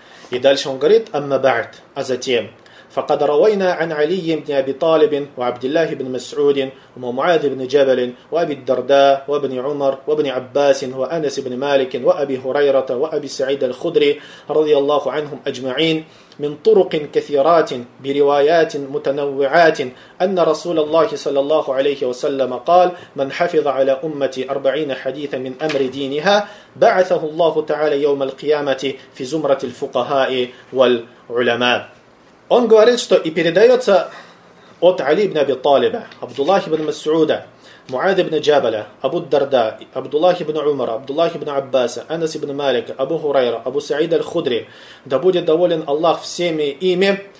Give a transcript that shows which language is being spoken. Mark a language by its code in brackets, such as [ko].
[ru] И дальше он говорит: [ar] «Амма ба'д», [ru] а затем: [ar] «Факад равайна ан Алий ибн Аби Талибин, ва Абдиллахи ибн Мас'удин, ва Муаз ибн Джабалин, ва Аби Дарда, ва Абни Умар, ва Абни Аббасин, ва Анас ибн Маликин, ва Аби Хурайрата, ва Аби Саид аль-Худри, ради Аллаху анхум аджма'ин. من طرق كثيرات بروايات متنوعات أن رسول الله صلى الله عليه وسلم قال من حفظ على أمتي 40 حديثا من أمر دينها بعثه الله تعالى يوم القيامة في زمرة الفقهاء والعلماء». [ru] Он говорит, что и передается от Али ибн Аби Талиба, Абдуллах ибн Мас'уда, Муаз ибн Джабаля, Абу Дарда, Абдуллах ибн Умара, Абдуллах ибн Аббаса, Анас ибн Малика, Абу Хурайра, Абу Саид аль-Худри, да будет доволен Аллах всеми ими,